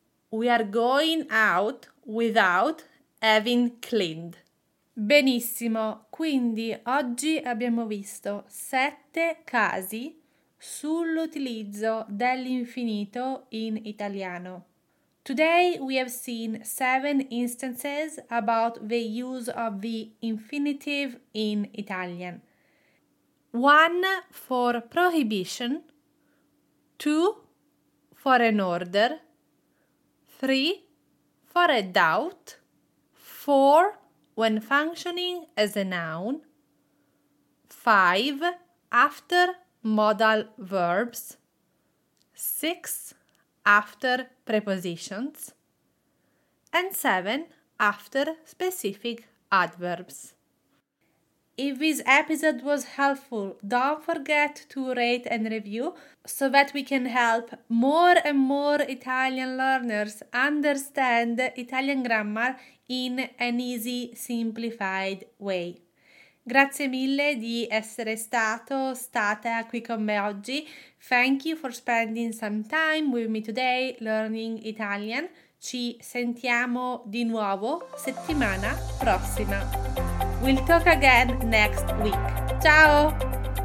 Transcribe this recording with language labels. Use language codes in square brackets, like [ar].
[en] We are going out without having cleaned. [it] Benissimo, quindi oggi abbiamo visto 7 casi sull'utilizzo dell'infinito in italiano. [en] Today we have seen 7 instances about the use of the infinitive in Italian. 1 for prohibition, 2 for an order, 3 for a doubt, 4 when functioning as a noun, 5 after modal verbs, 6 after prepositions, and 7 after specific adverbs. If this episode was helpful, don't forget to rate and review so that we can help more and more Italian learners understand Italian grammar in an easy, simplified way. [it] Grazie mille di essere stata qui con me oggi. [en] Thank you for spending some time with me today learning Italian. [it] Ci sentiamo di nuovo settimana prossima. [en] We'll talk again next week. [it] Ciao!